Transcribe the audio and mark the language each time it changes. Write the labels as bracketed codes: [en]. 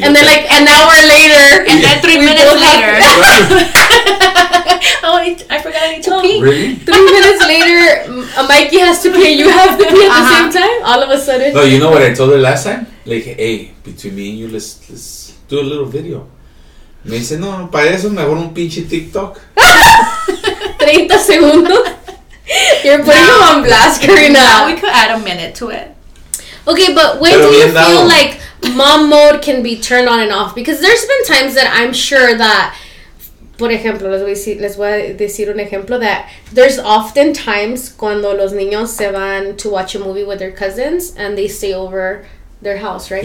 [en] And then, like, an hour later. And then 3 minutes later. Oh, I forgot I need to pee. Really? 3 minutes later, Mikey has to pee and you have to pee at the same time? All of a sudden? No, you know what I told her last time? Like, hey, between me and you, let's do a little video. [es] Me dice, no, para eso mejor un pinche TikTok. 30 segundos? [en] You're putting him on blast, Karina. Now we could add a minute to it. Okay, but when do you feel like mom mode can be turned on and off? Because there's been times that I'm sure that... [es] Por ejemplo, les voy a decir un ejemplo [en] that there's often times [es] cuando los niños se van [en] to watch a movie with their cousins and they stay over their house, right?